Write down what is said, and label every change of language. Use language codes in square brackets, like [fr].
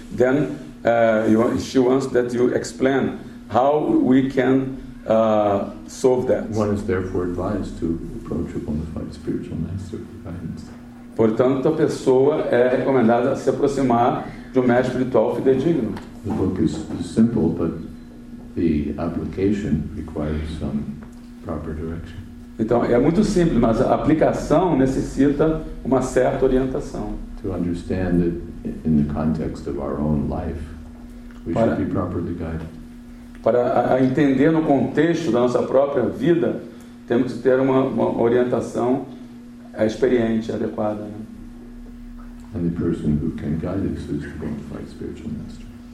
[en] Then she wants that you explain how we can solve that. One is therefore advised to approach a bona fide spiritual master for guidance. [pt] Portanto, a pessoa é recomendada se aproximar de um mestre espiritual fidedigno. [en] The book is simple, but the application requires some proper direction. [pt] Então, é muito simples, mas a aplicação necessita uma certa orientação. [en] To understand that in the context of our own life, we should be properly guided. [pt] Para entender no contexto da nossa própria vida, temos que ter uma orientação experiente, adequada. Né? [en] And the person who can guide us is the bona fide spiritual master.